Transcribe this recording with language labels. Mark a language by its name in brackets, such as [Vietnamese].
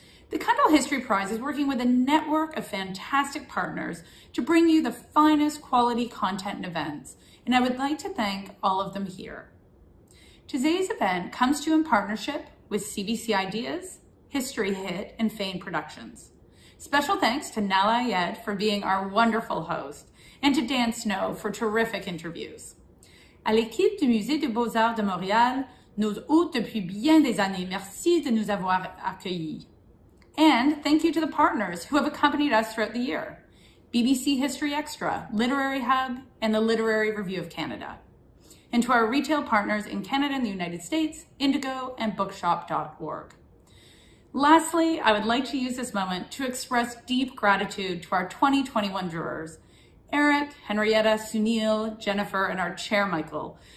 [English] The Cundill History Prize is working with a network of fantastic partners to bring you the finest quality content and events, and I would like to thank all of them here. Today's event comes to you in partnership with CBC Ideas, History Hit, and Fane Productions. Special thanks to Nahlah Ayed for being our wonderful host, and to Dan Snow for terrific interviews. [French] À l'équipe du Musée des Beaux-Arts de Montréal, nos hôtes depuis bien des années, merci de nous avoir accueillis. [English] And thank you to the partners who have accompanied us throughout the year, BBC History Extra, Literary Hub, and the Literary Review of Canada. And to our retail partners in Canada and the United States, Indigo and Bookshop.org. Lastly, I would like to use this moment to express deep gratitude to our 2021 jurors, Eric, Henrietta, Sunil, Jennifer, and our chair, Michael.